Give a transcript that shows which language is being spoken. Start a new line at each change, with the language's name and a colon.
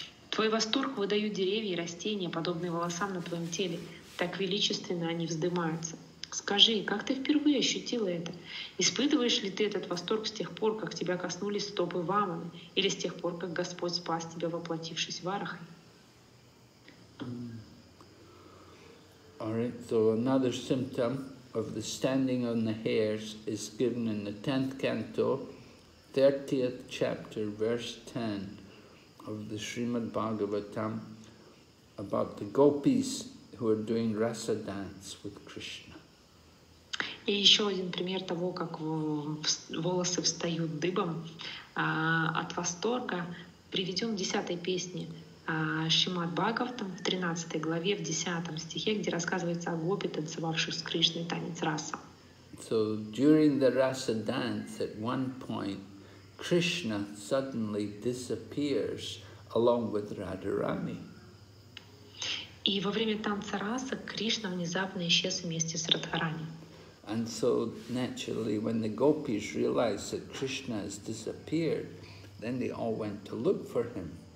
Russian: Твой восторг выдают деревья и растения, подобные волосам на твоем теле. Так величественно они вздымаются. Скажи, как ты впервые ощутила это? Испытываешь ли ты этот восторг с тех пор, как тебя коснулись стопы Ваманы, или с тех пор, как Господь спас тебя, воплотившись в Арахай?
English: All right, so another symptom of the standing on the hairs is given in the 10th canto, 30th chapter, verse 10 of the Srimad Bhagavatam about the gopis who are doing rasa dance with Krishna.
Russian: И еще один пример того, как волосы встают дыбом от восторга, приведем в 10-й песне. Шримад Бхагаватам в 13 главе, в 10 стихе, где рассказывается о гопи, танцевавших с Кришной танец раса.
English: So during the rasa dance, at one point, Krishna suddenly disappears along with Radharani.
Russian: И во время танца раса Кришна внезапно исчез вместе с Радхарани.
English: And so naturally, when the gopis realized that Krishna has disappeared, then they all went to look for him.